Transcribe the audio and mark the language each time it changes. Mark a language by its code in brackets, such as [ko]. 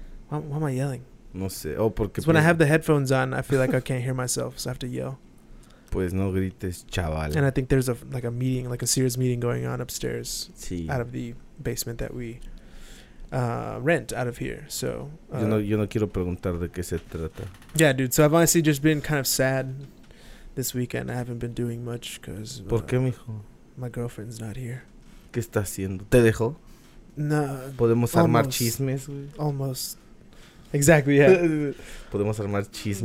[en] Why am I yelling? [es] No sé. Oh, porque... [en] So when I have the headphones on, I feel like I can't hear myself, so I have to yell. [es] Pues no grites, chaval. [en] And I think there's a serious meeting going on upstairs. Sí. Out of the basement that we rent out of here. So [es] yo no quiero preguntar de qué se trata. [en] Yeah, dude. So I've honestly just been kind of sad this weekend. I haven't been doing much because... [es] ¿Por qué, mijo? [en] My girlfriend's not here. [es] ¿Qué está haciendo? ¿Te dejó? No. ¿Podemos armar chismes, güey? [en] Almost. Exactly, yeah. [es] ¿Podemos armar chismes?